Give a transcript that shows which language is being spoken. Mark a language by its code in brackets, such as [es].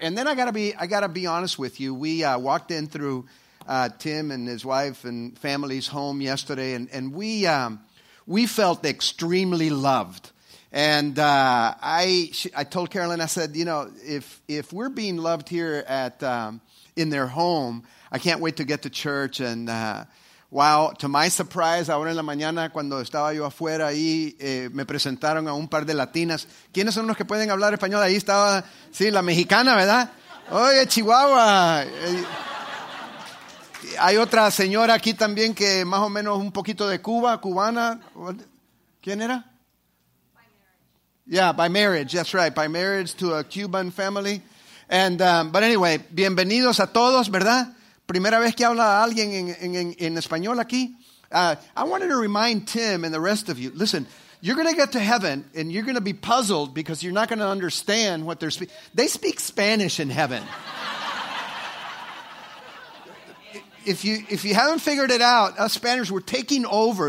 [en] And then I gotta be honest with you. We walked in through Tim and his wife and family's home yesterday, and we... We felt extremely loved, and I told Carolyn, I said, you know, if we're being loved here at in their home, I can't wait to get to church. And wow, to my surprise, [es] ahora en la mañana cuando estaba yo afuera ahí, me presentaron a un par de latinas. ¿Quiénes son los que pueden hablar español? Ahí estaba, sí, la mexicana, ¿verdad? Oye, Chihuahua. Hay otra señora aquí también que más o menos un poquito de Cuba, cubana. ¿Quién era? [en] By marriage. That's right. By marriage to a Cuban family. And but anyway, [es] bienvenidos a todos, ¿verdad? Primera vez que habla alguien en español aquí. [en] I wanted to remind Tim and the rest of you. Listen, you're going to get to heaven and you're going to be puzzled because you're not going to understand what they're speaking. They speak Spanish in heaven. If you haven't figured it out, us Spaniards, we're taking over.